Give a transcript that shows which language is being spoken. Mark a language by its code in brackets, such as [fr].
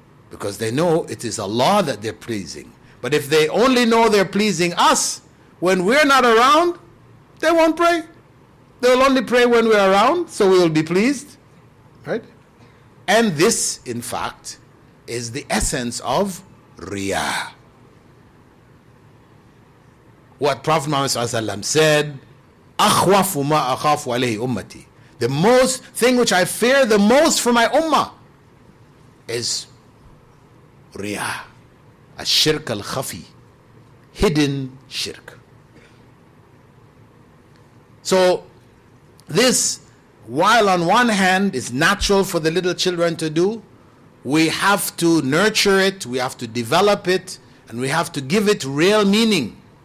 [en] Because they know it is Allah that they're pleasing. But if they only know they're pleasing us, when we're not around, they won't pray. They'll only pray when we're around, so we'll be pleased. Right? And this, in fact, is the essence of riya. What Prophet Muhammad ﷺ said, [ar] أَخْوَفُ مَا أَخَافُ عَلَيْهِ أُمَّتِي. [en] The most thing which I fear the most for my ummah is riya. [ar] الشرك الخفي. [en] Hidden shirk. So, this, while on one hand is natural for the little children to do, we have to nurture it, we have to develop it, and we have to give it real meaning.